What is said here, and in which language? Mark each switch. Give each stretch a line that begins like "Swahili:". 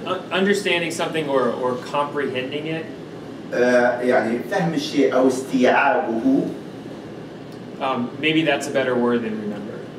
English: Understanding something or comprehending it.
Arabic: يعني فهم الشيء أو استيعابه.
English: Maybe that's a better word than remember.